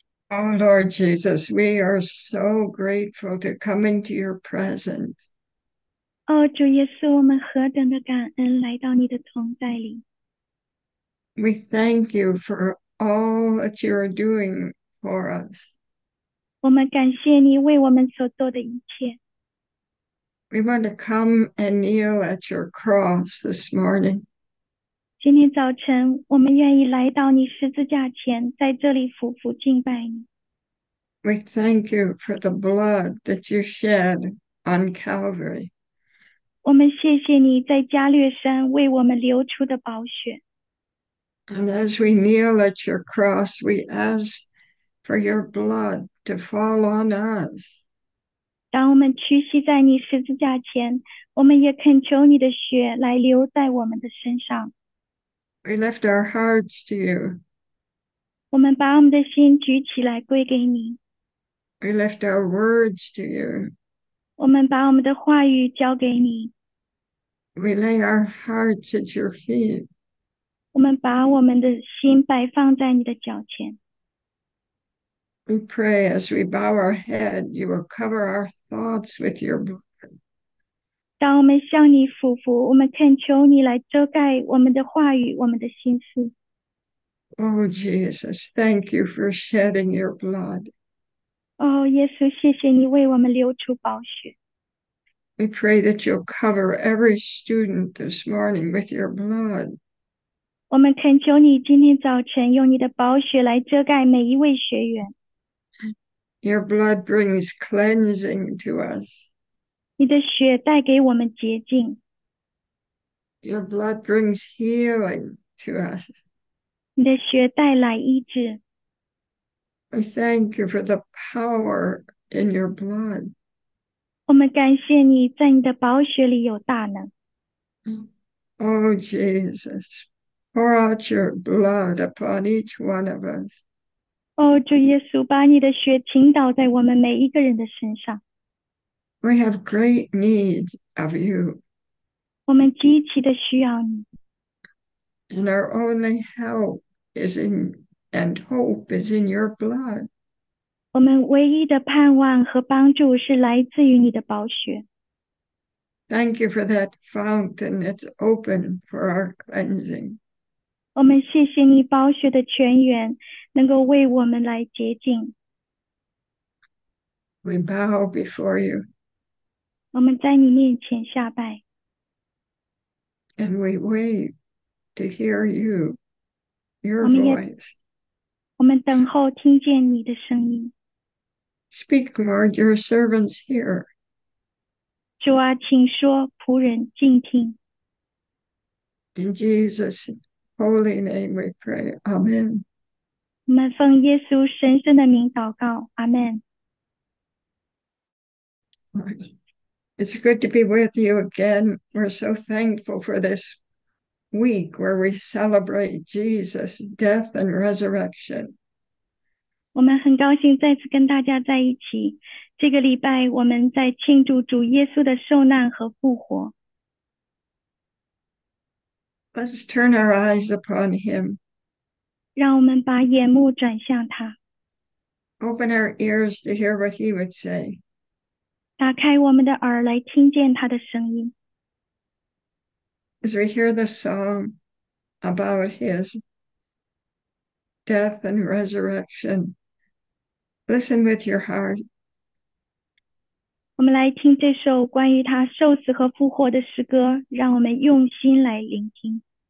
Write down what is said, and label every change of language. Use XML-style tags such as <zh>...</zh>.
<en>Oh Lord Jesus, we are so grateful to come into your presence.</en> <zh>哦，主耶稣，我们何等的感恩来到你的同在里。</zh> <en>We thank you for all that you are doing for us.</en> <zh>我们感谢你为我们所做的一切。</zh> <en>We want to come and kneel at your cross this morning.</en> <zh>今天早晨，我们愿意来到你十字架前，在这里俯伏敬拜你。</zh> <en>We thank you for the blood that you shed on Calvary.</en> <zh>我们谢谢你在加略山为我们流出的宝血。</zh> <en>And as we kneel at your cross, we ask for your blood to fall on us.</en> <zh>当我们屈膝在你十字架前，我们也恳求你的血来流在我们的身上。</zh> <en>We lift our hearts to you.</en> <zh>我们把我们的心举起来归给你。</zh> <en>We lift our words to you.</en> <zh>我们把我们的话语交给你。</zh> <en>We lay our hearts at your feet.</en> <zh>我们把我们的心摆放在你的脚前。</zh> <en>We pray as we bow our head, you will cover our thoughts with your blood.</en> <zh>当我们向你俯伏，我们恳求你来遮盖我们的话语，我们的心思。</zh> <en>Oh, Jesus, thank you for shedding your blood.</en> <zh>哦，耶稣，谢谢你为我们流出宝血。</zh> <en>We pray that you'll cover every student this morning with your blood.</en> <zh>我们恳求你今天早晨用你的宝血来遮盖每一位学员。</zh> <en>Your blood brings cleansing to us.</en> <zh>你的血带给我们洁净。</zh> <en>Your blood brings healing to us.</en> <zh>你的血带来医治。</zh> <en>We thank you for the power in your blood.</en> <zh>我们感谢你在你的宝血里有大能。</zh> <en>Oh, Jesus, pour out your blood upon each one of us.</en> <zh>哦，主耶稣，把你的血倾倒在我们每一个人的身上。</zh> <en>We have great needs of you.</en> <zh>我们极其的需要你。</zh> <en>And our only help is in, and hope is in your blood.</en> <zh>我们唯一的盼望和帮助是来自于你的宝血。</zh> <en>Thank you for that fountain that's open for our cleansing.</en> <zh>我们谢谢你宝血的泉源，能够为我们来洁净。</zh> <en>We bow before you.</en> <zh>我们在你面前下拜。</zh> <en>And we wait to hear you, your voice.</en> <zh>我们等候听见你的声音。</zh> <en>Speak, Lord, your servants hear.</en> <zh>主啊，请说，仆人静听。</zh> <en>In Jesus' holy name we pray. Amen.</en> <zh>我们奉耶稣神圣的名祷告，阿门。</zh> <en>It's good to be with you again. We're so thankful for this week where we celebrate Jesus' death and resurrection.</en> <zh>我们很高兴再次跟大家在一起。这个礼拜，我们在庆祝主耶稣的受难和复活。</zh> <en>Let's turn our eyes upon him.</en> <zh>让我们把眼目转向他，</zh> <en>Open our ears to hear what he would say.</en> <zh>打开我们的耳来听见他的声音。</zh> <en>As we hear the song about his death and resurrection, listen with your heart.</en> <zh>我们来听这首关于他受死和复活的诗歌，让我们用心来聆听。</zh>